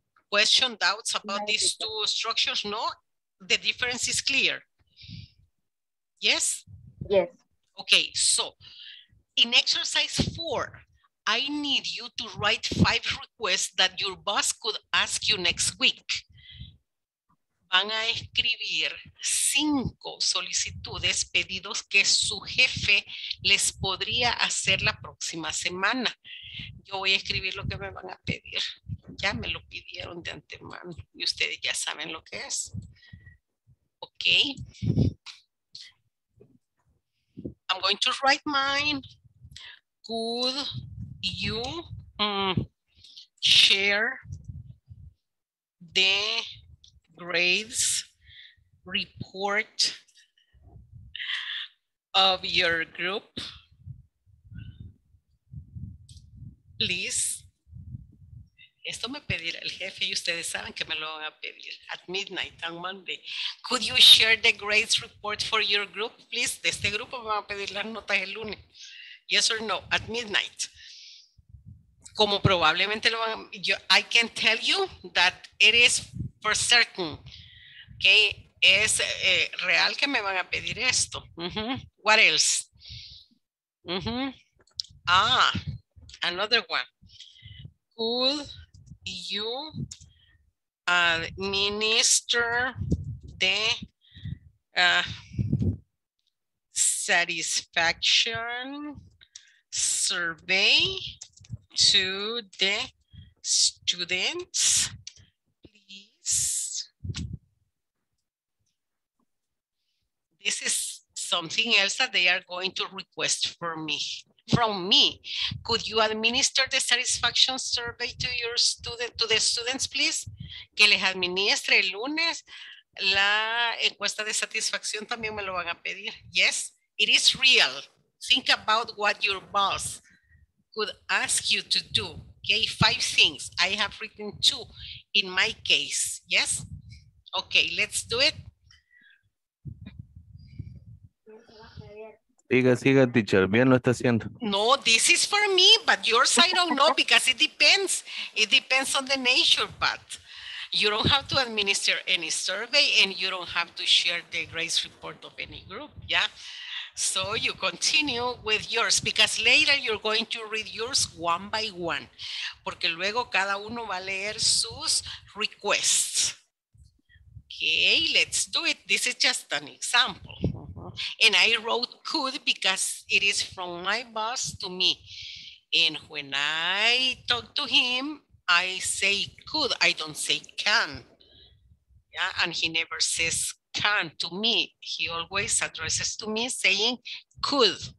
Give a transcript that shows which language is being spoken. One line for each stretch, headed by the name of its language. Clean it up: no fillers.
English: Question, doubts about these two structures? No, the difference is clear. Yes? Yes. Okay, so in exercise 4, I need you to write 5 requests that your boss could ask you next week.
Spanish: Van a escribir 5 solicitudes, pedidos que su jefe les podría hacer la próxima semana. Yo voy a escribir lo que me van a pedir. Ya me lo pidieron de antemano y ustedes ya saben lo que es. Ok.
English: I'm going to write mine. Could you share the grades report of your group, please?
Spanish: Esto me pedirá el jefe y ustedes saben que me lo van a pedir
English: at midnight on Monday. Could you share the grades report for your group, please?
Spanish: De este grupo me van a pedir las notas el lunes.
English: Yes or no, at midnight.
Spanish: Como probablemente lo van a...
English: I can tell you that it is for certain.
Spanish: Okay, es real que me van a pedir esto.
English: Mm-hmm. What else? Mm-hmm. Ah, another one. Could you administer the satisfaction survey to the students, please? This is something else that they are going to request for me. From me, could you administer the satisfaction survey to your student, to the students, please?
Spanish: Que les administre el lunes la encuesta de satisfacción, también me lo van a pedir.
English: Yes, it is real. Think about what your boss could ask you to do. Okay, 5 things. I have written 2 in my case. Yes, okay, let's do it.
Spanish: Siga, siga, teacher. Bien lo está haciendo.
English: No, this is for me, but yours I don't know because it depends. It depends on the nature, but you don't have to administer any survey and you don't have to share the grades report of any group, yeah? So you continue with yours because later you're going to read yours one by one.
Spanish: Porque luego cada uno va a leer sus requests.
English: Okay, let's do it. This is just an example. And I wrote could because it is from my boss to me. And when I talk to him, I say could, I don't say can. Yeah, and he never says can to me. He always addresses to me saying could.